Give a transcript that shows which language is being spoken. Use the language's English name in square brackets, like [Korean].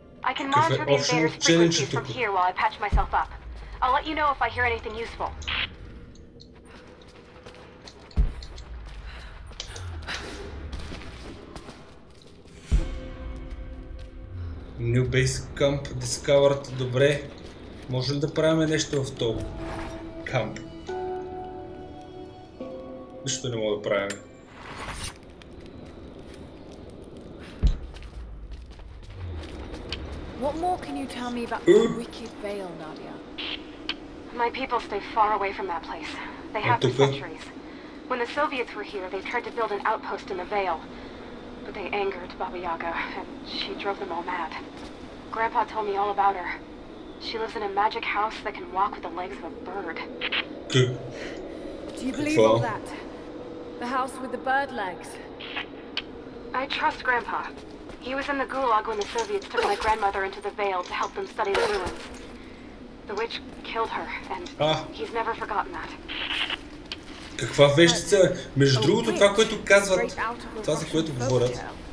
[English] I can monitor the invaders' frequencies from here while I patch myself up. I'll let you know if I hear anything useful. New base camp discovered. [Bulgarian] Добре. Можем да правим нещо в този камп. Нищо не мога да правим. [English] What more can you tell me about the wicked veil, Nadia? My people stay far away from that place. They have for centuries. When the Soviets were here, they tried to build an outpost in the veil. But they angered Baba Yaga, and she drove them all mad. Grandpa told me all about her. She lives in a magic house that can walk with the legs of a bird. Do you believe all that? The house with the bird legs? I trust Grandpa. He was in the gulag when the Soviets took my grandmother into the veil to help them study the ruins. The witch killed her, and he's never forgotten that. [Bulgarian] Каква вещица? Между другото, това, което казват, това, за което говорят.